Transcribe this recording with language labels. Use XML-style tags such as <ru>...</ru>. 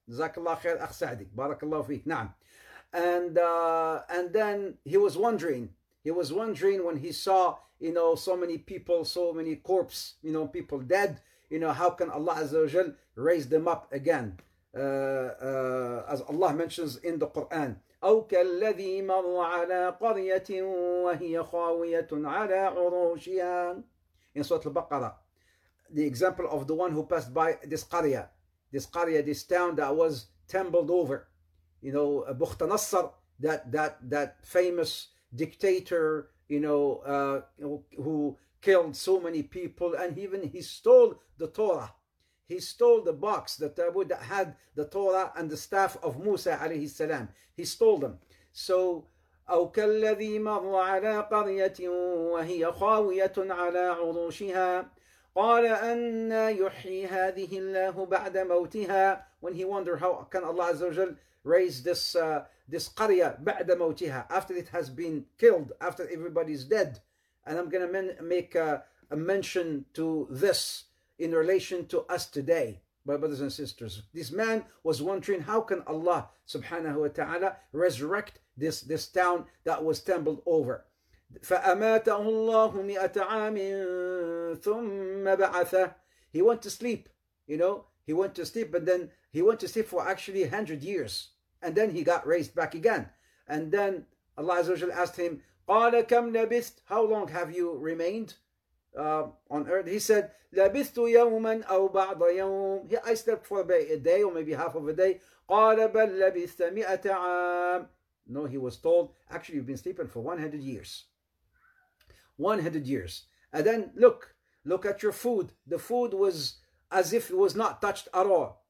<ar>Zakallah khair akhsadik. Barakallah fiik. Naam.</ar> <en>And then he was wondering. He was wondering when he saw, you know, so many people, so many corpses, you know, people dead. You know, how can Allah Azza wa Jal raise them up again? As Allah mentions in the Quran.</en> <ar>أو كالذي مر على قرية وهي خاوية على عروشها.</ar> <en>In Surah Al-Baqarah, the example of the one who passed by this qarya, this town that was tumbled over. You know, Bukht Nasr, that famous dictator, you know, who killed so many people, and even he stole the Torah. He stole the box, the tabut that had the Torah and the staff of Musa alayhi salam. He stole them.</en> <ar>So, أو كالذي مر على قرية وهي خاوية على عروشها قال أن يحيي هذه الله بعد موتها.</ar> <en>When he wondered how can Allah Azza wa Jal raise this</en> <ar>قرية بعد موتها,</ar> <en>after it has been killed, after everybody's dead. And I'm going to make a mention to this in relation to us today, my brothers and sisters. This man was wondering, how can Allah subhanahu wa ta'ala resurrect this town that was tumbled over?</en> <ar>فَأَمَاتَهُ اللَّهُ مِئَةَ عَامٍ ثُمَّ بَعَثَ.</ar> <en>He went to sleep, you know, he went to sleep, but then he went to sleep for actually 100 years, and then he got raised back again. And then Allah Azza wa Jalla asked him,</en> <ar>قَالَ كَمْ لَبِثْتَ,</ar> <en>how long have you remained on earth?</en> <ar>He said, لَبِثْتُ يَوْمًا أَوْ بَعْضَ يَوْمٍ.</ar> <en>I slept for about a day or maybe half of a day.</en> <ar>قَالَ بَلْ لَبِثْتَ مِئَةَ عَامٍ.</ar> <en>No, he was told, actually you've been sleeping for 100 years. 100 years. And then look at your food. The food was as if it was not touched at all.</en>